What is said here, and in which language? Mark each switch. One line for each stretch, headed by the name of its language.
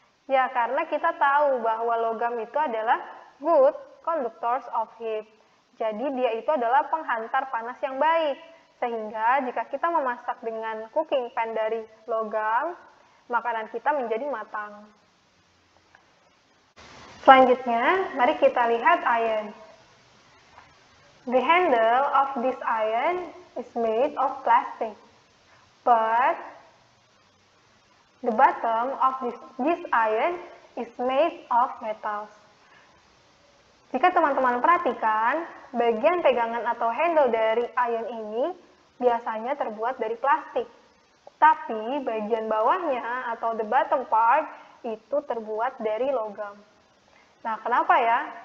Indonesian: Ya, karena kita tahu bahwa logam itu adalah
English: good conductors of heat.
Indonesian: Jadi, dia itu adalah penghantar panas yang baik. Sehingga, jika kita memasak dengan cooking pan dari logam, makanan kita menjadi matang. Selanjutnya, mari kita lihat iron.
English: The handle of this iron is made of plastic, but the bottom of this iron is made of metals.
Indonesian: Jika teman-teman perhatikan, bagian pegangan atau handle dari iron ini biasanya terbuat dari plastik. Tapi bagian bawahnya atau
English: the bottom part
Indonesian: itu terbuat dari logam. Nah, kenapa ya?